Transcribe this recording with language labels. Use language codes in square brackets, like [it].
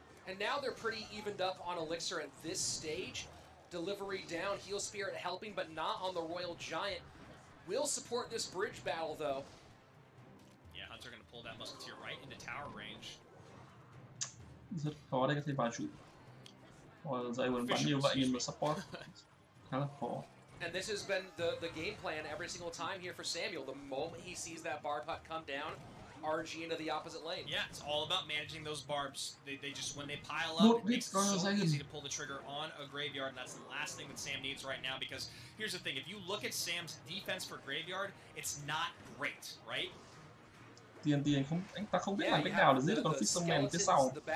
[en] And now they're pretty evened up on elixir at this stage. Delivery down, Heal Spirit helping, but not on the Royal Giant. We'll support this bridge battle, though. Yeah, Hunter gonna pull that Musketeer right into tower range. [vi] Rất khó để có thể bao trụ. Dây vẫn bắn như vậy, nhưng mà support khá là khó. [en] And this has been the game plan every single time here for Samuel. The moment he sees that barb hut come down, RG into the opposite lane. Yeah, it's all about managing those barbs. They just, when they pile up, it's so easy to pull the trigger on a graveyard, and that's the last thing that Sam needs right now, because here's the thing, if you look at Sam's defense for graveyard, it's not great, right? [vi] TNT anh ta không biết làm cách nào để giết được con Fisherman phía sau.